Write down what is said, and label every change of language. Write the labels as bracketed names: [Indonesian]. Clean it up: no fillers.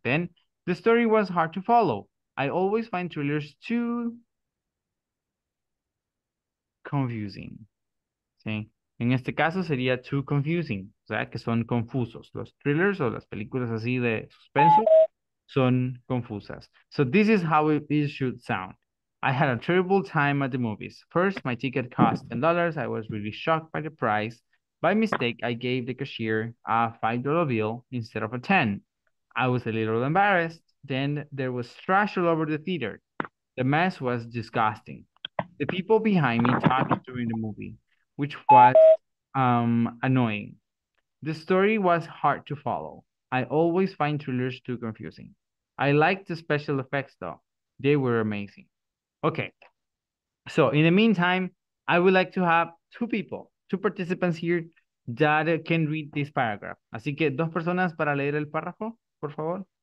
[English] Then, the story was hard to follow. I always find thrillers too confusing. ¿Sí? [Spanish] En este caso sería [English] too confusing, [Spanish] o sea, que son confusos. Los thrillers o las películas así de suspenso son confusas. [English] So this is how it should sound. I had a terrible time at the movies. First, my ticket cost $10. I was really shocked by the price. By mistake, I gave the cashier a $5 bill instead of a 10. I was a little embarrassed. Then there was trash all over the theater. The mess was disgusting. The people behind me talked during the movie, which was annoying. The story was hard to follow. I always find thrillers too confusing. I liked the special effects though. They were amazing. Okay. So in the meantime, I would like to have two people, two participants here that can read this paragraph. [Spanish] Así que dos personas para leer el párrafo, por favor.